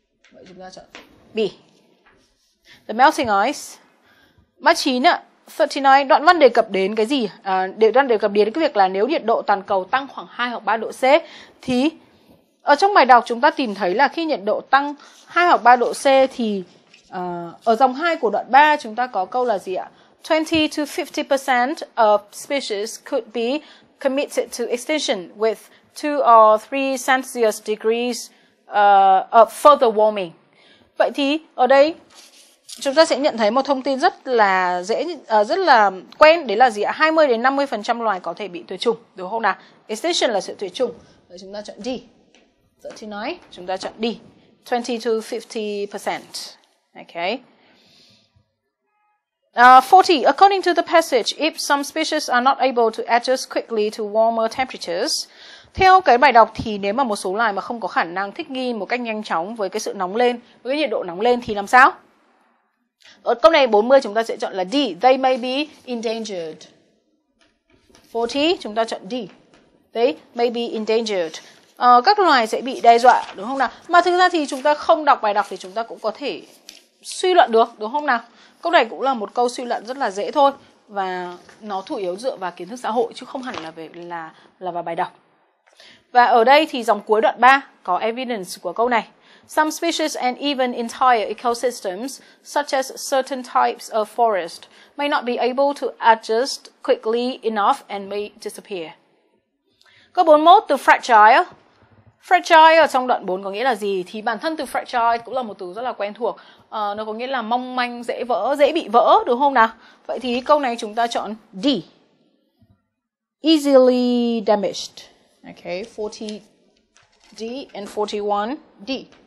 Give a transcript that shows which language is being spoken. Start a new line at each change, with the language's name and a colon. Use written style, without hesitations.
Vietnamese: Vậy chúng ta chọn B.
English: The melting ice.
Vietnamese: 39 ạ. 39, đoạn văn đề cập đến cái gì? Đoạn đề cập đến cái việc là nếu nhiệt độ toàn cầu tăng khoảng 2 hoặc 3 độ C thì ở trong bài đọc chúng ta tìm thấy là khi nhiệt độ tăng 2 hoặc 3 độ C thì ở dòng 2 của đoạn 3 chúng ta có câu là gì ạ?
English: 20 to 50% of species could be committed to extinction with 2 or 3 Celsius degrees of further warming.
Vietnamese: Vậy thì ở đây chúng ta sẽ nhận thấy một thông tin rất là dễ, rất là quen, đấy là gì ạ? 20 đến 50% loài có thể bị tuyệt chủng, đúng không nào? Extinction là sự tuyệt chủng. Rồi chúng ta chọn D. Vậy thì nói, chúng ta chọn D.
English: 20 to 50%. Okay. 40. According to the passage, if some species are not able to adjust quickly to warmer temperatures.
Vietnamese: Theo cái bài đọc thì nếu mà một số loài mà không có khả năng thích nghi một cách nhanh chóng với cái sự nóng lên, với cái nhiệt độ nóng lên thì làm sao? Ở câu này 40 chúng ta sẽ chọn là D.
English: They may be endangered.
Vietnamese: 40 chúng ta chọn D.
English: They may be endangered.
Vietnamese: Các loài sẽ bị đe dọa, đúng không nào? Mà thực ra thì chúng ta không đọc bài đọc thì chúng ta cũng có thể suy luận được, đúng không nào? Câu này cũng là một câu suy luận rất là dễ thôi. Và nó chủ yếu dựa vào kiến thức xã hội chứ không hẳn là vào bài đọc. Và ở đây thì dòng cuối đoạn 3 có evidence của câu này.
English: Some species and even entire ecosystems, such as certain types of forest, may not be able to adjust quickly enough and may disappear.
Vietnamese: Câu 41, từ fragile. Fragile ở trong đoạn 4 có nghĩa là gì? Thì bản thân từ fragile cũng là một từ rất là quen thuộc. Nó có nghĩa là mong manh, dễ vỡ, dễ bị vỡ, đúng không nào? Vậy thì câu này chúng ta chọn D.
English: Easily damaged. Okay, 40D and 41D.